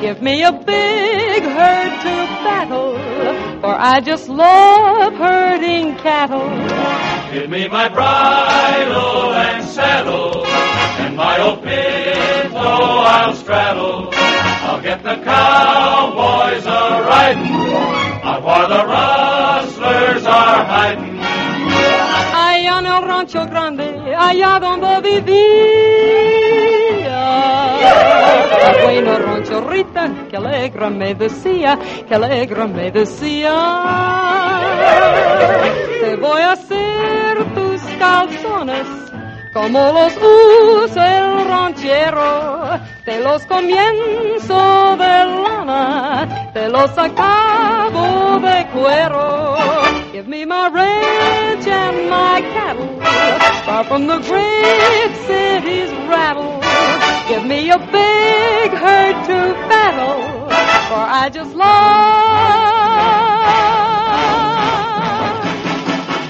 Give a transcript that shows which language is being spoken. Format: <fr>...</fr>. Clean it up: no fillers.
<en>Give me a big herd to battle, for I just love herding cattle. Give me my bridle and saddle, and my old pinto I'll straddle. I'll get the cowboys a-riding, out where the rustlers are hiding.</en> <es>Allá en el rancho grande, allá donde vivía. Bueno rancho rita, que alegra me decía, que alegra me decía. Te voy a hacer tus calzones, como los usa el ranchero. Te los comienzo de lana, te los acabo de cuero.</es> <en>Give me my ranch and my cattle, far from the great city's rattle. Give me a big herd to battle, for I just love</en>